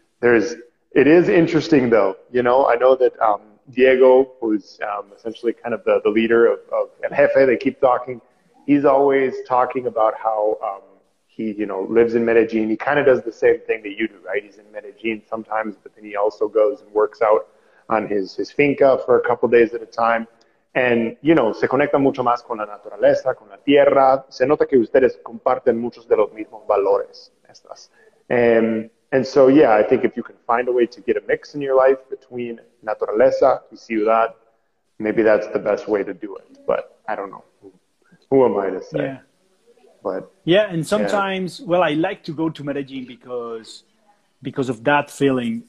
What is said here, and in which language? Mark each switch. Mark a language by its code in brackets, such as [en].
[en] It is interesting, though. You know, I know that Diego, who's essentially kind of the leader of El Jefe, they keep talking. He's always talking about how he lives in Medellin. He kind of does the same thing that you do, right? He's in Medellin sometimes, but then he also goes and works out on his finca for a couple of days at a time. And, you know, [es] se conecta mucho más con la naturaleza, con la tierra. Se nota que ustedes comparten muchos de los mismos valores. [en] And so, yeah, I think if you can find a way to get a mix in your life between [es] naturaleza y ciudad, [en] maybe that's the best way to do it. But I don't know. Who am I to say? Yeah. But yeah, and sometimes, yeah. Well, I like to go to Medellin because of that feeling.